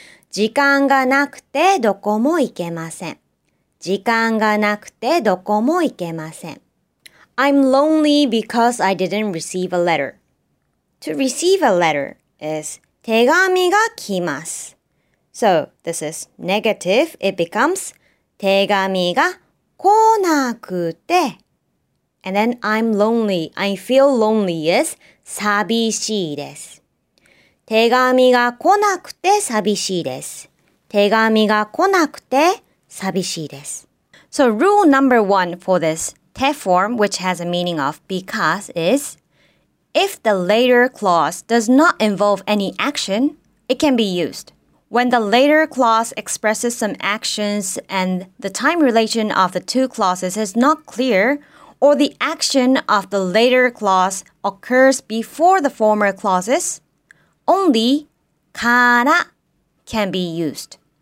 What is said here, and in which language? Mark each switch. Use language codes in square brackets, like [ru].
[ja] 時間がなくてどこも行けません。時間がなくてどこも行けません。 [en] I'm lonely because I didn't receive a letter. To receive a letter is [ja] 手紙が来ます。 [en] So, this is negative. It becomes [ja] 手紙が来なくて。 [en] And then I'm lonely. I feel lonely is [ja] 寂しいです。手紙が来なくて寂しいです。手紙が来なくて寂しいです。 [en] So rule number one for this te form, which has a meaning of because, is if the later clause does not involve any action, it can be used. When the later clause expresses some actions and the time relation of the two clauses is not clear, or the action of the later clause occurs before the former clauses, only から can be used.